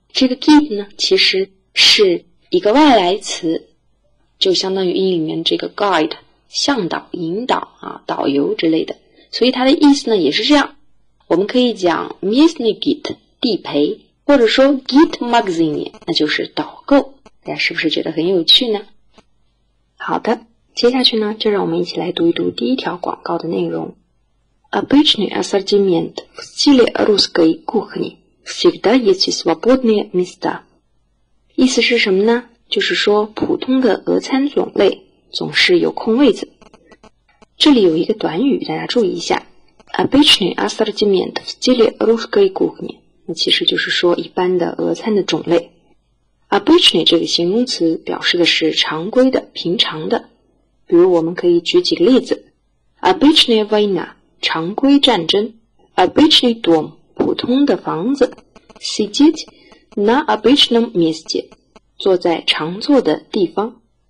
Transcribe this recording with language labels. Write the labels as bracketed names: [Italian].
[Chinese] 这个 гид 呢其实是一个外来词，就相当于英语里面这个 guide 向导、引导啊、导游之类的，所以它的意思呢也是这样。我们可以讲 [Russian] местный гид [Chinese] 地陪，或者说 [Russian] гид магазине [Chinese] 那就是导购，大家是不是觉得很有趣呢？好的，接下去呢就让我们一起来读一读第一条广告的内容。 [Russian] Обычный ассортимент в стиле русской кухни всегда есть свободные места。 [Chinese] 意思是什么呢？就是说普通的俄餐种类总是有空位子。这里有一个短语大家注意一下， [Russian] обычный ассортимент в стиле русской кухни， [Chinese] 那其实就是说一般的俄餐的种类。 обычный 这个形容词表示的是常规的、平常的，比如我们可以举几个例子， [Russian] обычная война [Chinese] 常规战争， [Russian] обычный дом [Chinese] 普通的房子， [Russian] сидеть на обычном месте [Chinese] 坐在常坐的地方。